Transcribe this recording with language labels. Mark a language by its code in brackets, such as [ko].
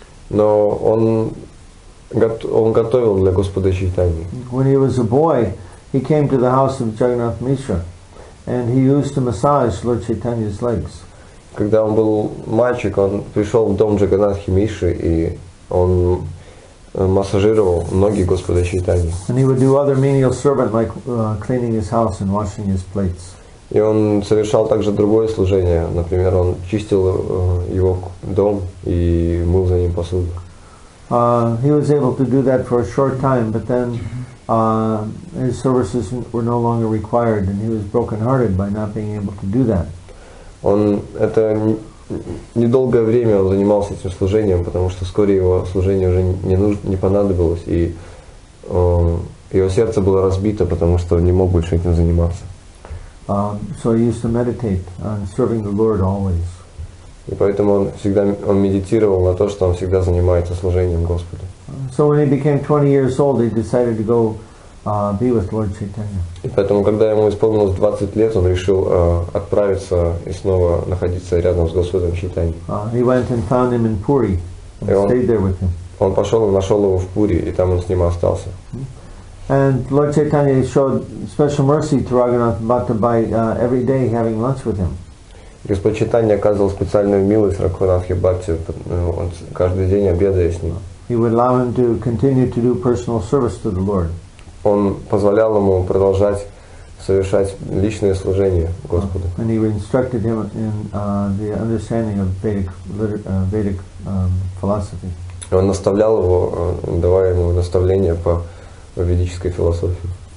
[ru] Но он готовил для Господа Чайтаньи. [en] When he was a boy, he came to the house of Jagannath Mishra and he used to massage Lord Chaitanya's legs. [ru] Когда он был мальчик, он пришел в дом Джаганатхи Мишры и он массажировал ноги Господа Чайтаньи. [en] And he would do other menial servant like cleaning his house and washing his plates. [ru] И он совершал также другое служение, например, он чистил его дом и мыл за ним посуду. [en] He was able to do that for a short time, but then his services were no longer required, and he was broken-hearted by not being able to do that. [ru] Он это недолгое время он занимался этим служением, потому что вскоре его служение уже не понадобилось, и его сердце было разбито, потому что он не мог больше этим заниматься. [en] So he used to meditate on serving the Lord always. [ru] И поэтому он медитировал на то, что он всегда занимается служением Господу. [en] So when he became 20 years old, he decided to go be with Lord Chaitanya. [ru] И поэтому, когда ему исполнилось 20 лет, он решил отправиться и снова находиться рядом с Господом Чайтаньей. [en] He went and found him in Puri and stayed there with him. [ru] Он пошел и нашел его в Пури, и там он с ним остался. [en] And Lord Chaitanya showed special mercy to Raghunath Bhatta by every day having lunch with him. [ru] Господь Чайтанья оказывал специальную милость Рагунатхе Бхатте, он каждый день обедая с ним. [en] He would allow him to continue to do personal service to the Lord. [ru] Он позволял ему продолжать совершать личное служение Господу. [en] And he instructed him in the understanding of Vedic philosophy. [ru] И он наставлял его, давая ему наставления по ведической философии.